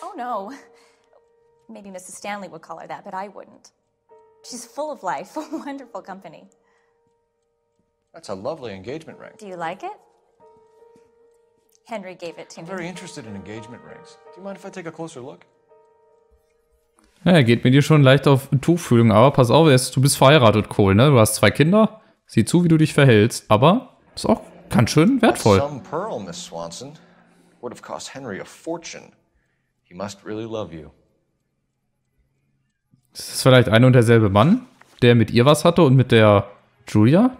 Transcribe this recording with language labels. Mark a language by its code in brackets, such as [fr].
[en] Oh, no. Maybe Mrs. Stanley would call her that, but I wouldn't. She's full of life. Wonderful company. That's a lovely engagement ring. Do you like it? Henry gave it to me. I'm very interested in engagement rings. Do you mind if I take a closer look? [de] Ja, geht mit dir schon leicht auf Tuchfühlung, aber pass auf, du bist verheiratet, Cole, ne? Du hast zwei Kinder, sieh zu, wie du dich verhältst, aber ist auch ganz schön wertvoll. [en] Some pearl, Miss Swanson, would have cost Henry a fortune. He must really love you. [de] Das ist vielleicht ein und derselbe Mann, der mit ihr was hatte und mit der Julia?